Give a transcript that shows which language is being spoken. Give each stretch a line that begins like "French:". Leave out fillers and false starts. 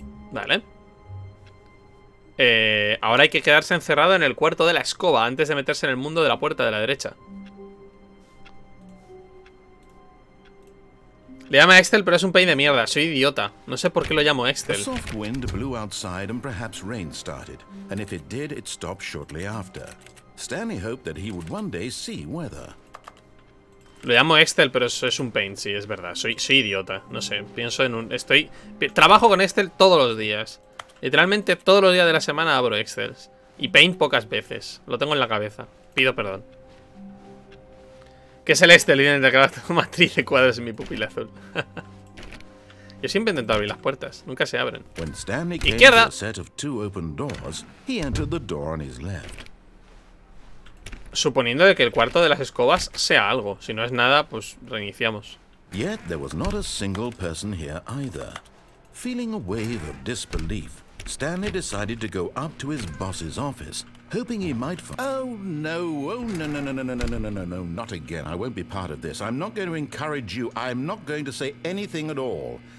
Spanish: Vale. Ahora hay que quedarse encerrado en el cuarto de la escoba antes de meterse en el mundo de la puerta de la derecha. Le llama Excel, pero es un pain de mierda. Soy idiota. No sé por qué lo llamo Excel.
English: A soft wind blew outside and perhaps rain started. And if it did, it stopped shortly after. Stanley hoped that he would one day see weather.
Spanish: Lo llamo Excel, pero es un pain. Sí, es verdad. Soy idiota. No sé. Pienso en un... Estoy... Trabajo con Excel todos los días. Literalmente todos los días de la semana abro Excel. Y Paint pocas veces. Lo tengo en la cabeza. Pido perdón. ¿Qué es el este? El líder de cada matriz de cuadros en mi pupila azul. Yo siempre he intentado abrir las puertas. Nunca se abren.
English: When Stanley came izquierda. To a set of two open doors, he entered the door on his left.
Spanish: Suponiendo de que el cuarto de las escobas sea algo. Si no es nada, pues reiniciamos.
English: Yet there was not a single person here either. Feeling a wave of disbelief, Stanley decided to go up to his boss's office, hoping he might find... Oh, no. Oh, no, no, no, no, no, no, no, no, no. Not again. I won't be part of this. I'm not going to encourage you. I'm not going to say anything at all.